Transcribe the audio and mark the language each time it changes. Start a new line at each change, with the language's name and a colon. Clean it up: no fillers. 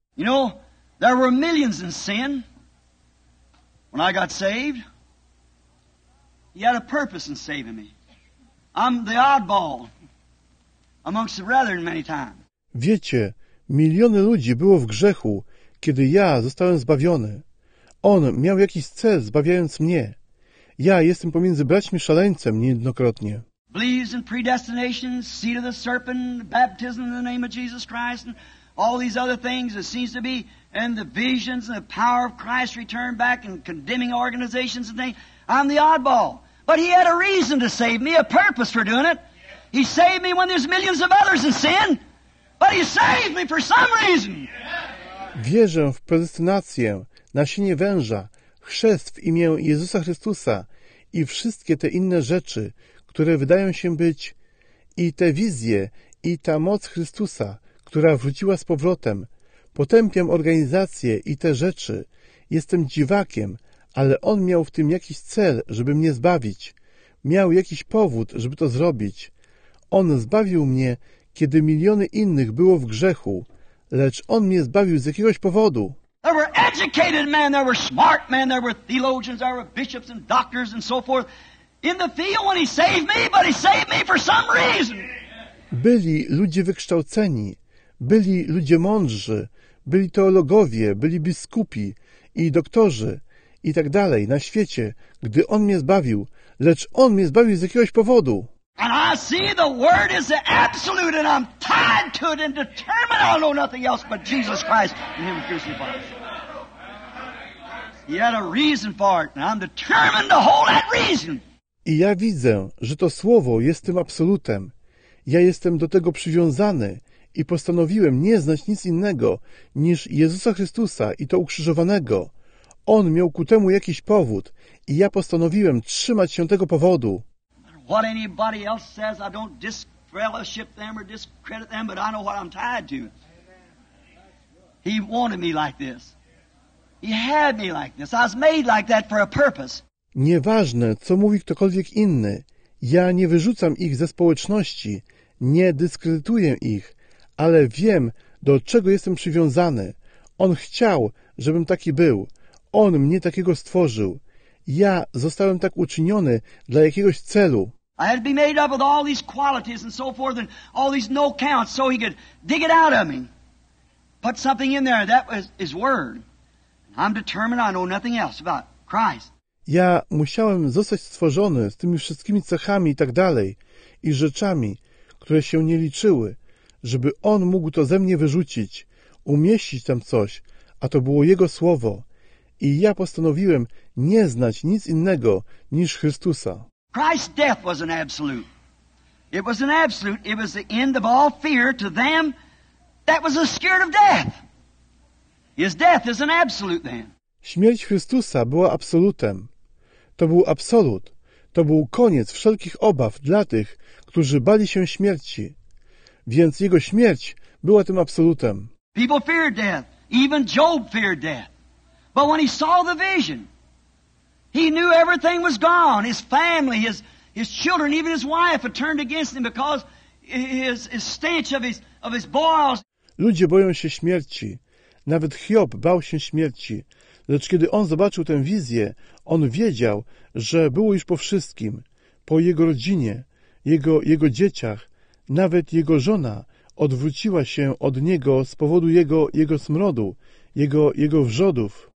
English: You know, there were millions in sin when I got saved. He had a purpose in saving me. I'm the oddball amongst the brethren many times.
Polish: Wiecie, miliony ludzi było w grzechu, kiedy ja zostałem zbawiony. On miał jakiś cel, zbawiając mnie. Ja jestem pomiędzy braćmi szaleńcem niejednokrotnie.
English: Believes in predestination, seed of the serpent, baptism in the name of Jesus Christ, and all these other things that seems to be, and the visions and the power of Christ returned back and condemning organizations and things. I'm the oddball. But He had a reason to save me, a purpose for doing it. He saved me when there's millions of others in sin. But He saved me for some reason.
Polish: Wierzę w predestynację, nasienie węża, chrzest w imię Jezusa Chrystusa i wszystkie te inne rzeczy, które wydają się być, i te wizje, i ta moc Chrystusa, która wróciła z powrotem. Potępiam organizacje i te rzeczy. Jestem dziwakiem, ale On miał w tym jakiś cel, żeby mnie zbawić. Miał jakiś powód, żeby to zrobić. On zbawił mnie, kiedy miliony innych było w grzechu, lecz On mnie zbawił z jakiegoś powodu.
English: There were educated men, there were smart men, there were theologians, there were bishops and doctors and so forth in the field when He saved me, but He saved me for some reason.
Polish: Byli ludzie wykształceni, byli ludzie mądrzy, byli teologowie, byli biskupi i doktorzy i tak dalej na świecie, gdy On mnie zbawił, lecz On mnie zbawił z jakiegoś powodu.
English: And I see the word is the absolute, and I'm tied to it and determined. I don't know nothing else but Jesus Christ and Him crucified. He had a reason for it, and I'm determined to hold that reason.
Polish: I ja widzę, że to słowo jest tym absolutem. Ja jestem do tego przywiązany i postanowiłem nie znać nic innego niż Jezusa Chrystusa i to ukrzyżowanego. On miał ku temu jakiś powód i ja postanowiłem trzymać się tego powodu.
English: What anybody else says, I don't disfellowship them or discredit them, but I know what I'm tied to. He wanted me like this. He had me like this. I was made like that for a purpose.
Polish: Nieważne, co mówi ktokolwiek inny, ja nie wyrzucam ich ze społeczności, nie dyskredytuję ich, ale wiem, do czego jestem przywiązany. On chciał, żebym taki był. On mnie takiego stworzył. Ja zostałem tak uczyniony dla jakiegoś celu.
English: I had to be made up with all these qualities and so forth and all these no counts so He could dig it out of me. Put something in there, that was His word. I'm determined, I know nothing else about Christ.
Polish: Ja musiałem zostać stworzony z tymi wszystkimi cechami i tak dalej i rzeczami, które się nie liczyły, żeby On mógł to ze mnie wyrzucić, umieścić tam coś, a to było Jego słowo. I ja postanowiłem nie znać nic innego niż Chrystusa.
English: Christ's death was an absolute. It was an absolute. It was the end of all fear to them that was the spirit of death. His death is an absolute then.
Polish: Śmierć Chrystusa była absolutem. To był absolut. To był koniec wszelkich obaw dla tych, którzy bali się śmierci. Więc Jego śmierć była tym absolutem.
English: People feared death. Even Job feared death. But when he saw the vision, he knew everything was gone. His family, his children, even his wife had turned against him because his stench of his boils.
Polish: Ludzie boją się śmierci. Nawet Hiob bał się śmierci. Lecz kiedy on zobaczył tę wizję, on wiedział, że było już po wszystkim, po jego rodzinie, jego dzieciach, nawet jego żona odwróciła się od niego z powodu jego smrodu, jego wrzodów.